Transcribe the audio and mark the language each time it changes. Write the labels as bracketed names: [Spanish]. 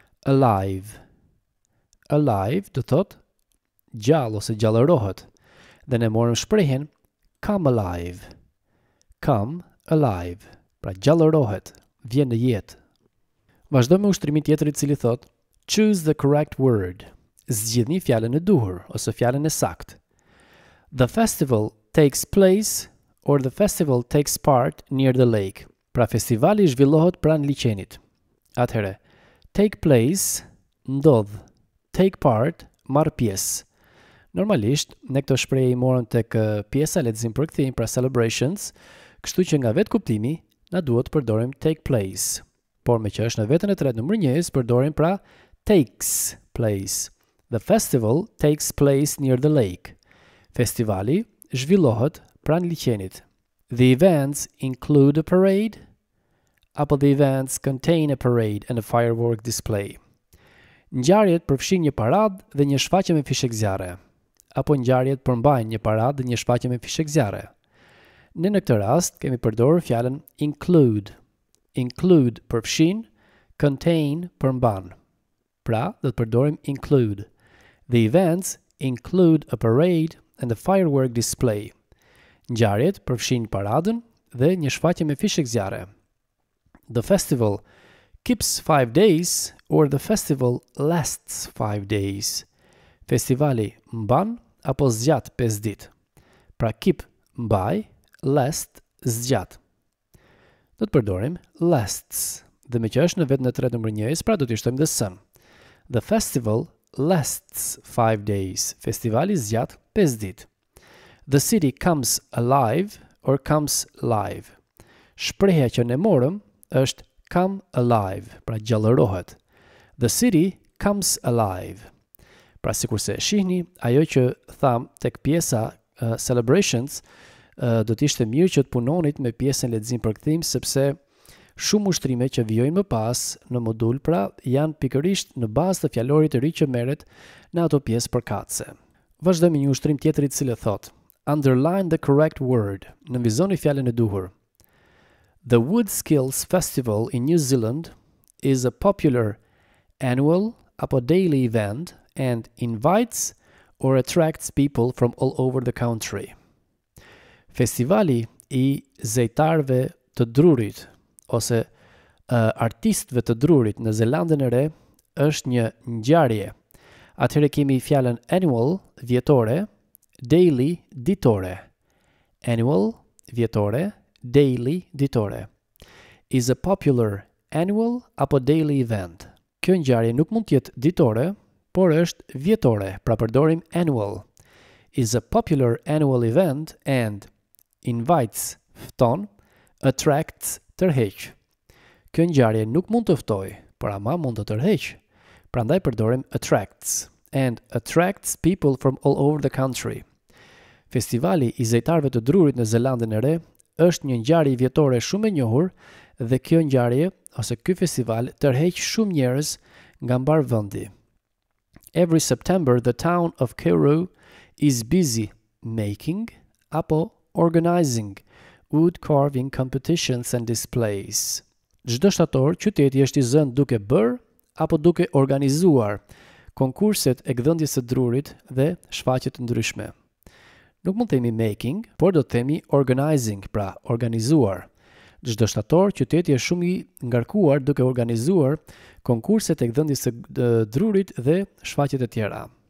[Albanian] Alive, alive, do thot gjallë ose gjallërohet. Dhe ne morëm shprehjen come alive, come alive, pra gjallërohet, vjen në jetë. Vazhdojmë me ushtrimin tjetër i cili thot, [English] choose the correct word. [Albanian] Zgjidhni fjalën e duhur ose fjalën e saktë. [English] The festival takes place or the festival takes part near the lake. [Albanian] Pra festivali zhvillohet pranë liqenit. Atëherë, take place, ndodh, take part, marr pjesë. Normalisht ne këto shprehje i morëm tek pjesa lexim përkthim, pra celebrations, kështu që nga vetë kuptimi na duhet të përdorim take place. Por me që është në vetën e tretë numër 1, përdorim pra takes place. [English] The festival takes place near the lake. [Albanian] Festivali zhvillohet pranë liqenit. [English] The events include a parade, apo the events contain a parade and a firework display. [Albanian] Ngjarjet përfshin një parad dhe një shfaqje me fishekzjare, apo ngjarjet përmbajnë një parad dhe një shfaqje me fishekzjare. Ne në këtë rast kemi përdorur fjalën include. Include përfshin, contain përmban. Pra, do të përdorim include. [English] The events include a parade and a firework display. [Albanian] Ngjarjet përfshin paradën dhe një shfaqje me fishekzjare. [English] The festival keeps 5 days or the festival lasts 5 days. [Albanian] Festivali mban apo zgjat 5 ditë. Pra keep mbaj, last zgjat. Do të përdorim lasts, dhe me që është në vetë në tretë nëmër njëjës, pra do të ishtojmë dhe sën. [English] The festival lasts 5 days. [Albanian] Festivali zgjat 5 dit. [English] The city comes alive or comes live. [Albanian] Shpreha që ne morëm është come alive, pra gjallërohet. [English] The city comes alive. [Albanian] Pra sikur se shihni, ajo që tham tek pjesa celebrations, do të ishte mirë që të punonit me pjesën lexim për kthim sepse shumë ushtrime që vijojnë më pas në modul, pra janë pikërisht në bazë të fjalorit të ri që merret në ato pjesë përkatëse. Vazhdojmë një ushtrim tjetër i cili thot: [English] Underline the correct word. [Albanian] Nënvizoni fjalën e duhur. The Wood Skills Festival in New Zealand is a popular annual apo daily event and invites or attracts people from all over the country. Festivali i zejtarve të drurit ose artistëve të drurit në Zelandën e Re është një ngjarje. Atëherë kemi fjalën annual, vjetore, daily, ditore. Annual, vjetore, daily, ditore. [English] Is a popular annual apo daily event. [Albanian] Kjo ngjarje nuk mund të jetë ditore, por është vjetore, pra përdorim annual. [English] Is a popular annual event and invites, fton, attracts, tërheq. [Albanian] Kjo ngjarje nuk mund të ftoj, por ama mund të tërheq. Prandaj përdorim [English] attracts and attracts people from all over the country. [Albanian] Festivali i zejtarve të drurit në Zelandën e Re është një ngjarje vjetore shumë e njohur dhe kjo ngjarje ose ky festival tërheq shumë njerëz nga mbar vendi. [English] Every September the town of Kero is busy making apo organizing wood carving competitions and displays. [Albanian] Çdo shtator qyteti është i zënë duke bër apo duke organizuar konkurset e gdhëndjes së drurit dhe shfaqje të ndryshme. Nuk mund të themi making, por do të themi organizing, pra organizuar. Çdo shtator qyteti është shumë i ngarkuar duke organizuar konkurset e gdhëndjes së drurit dhe shfaqjet e tjera.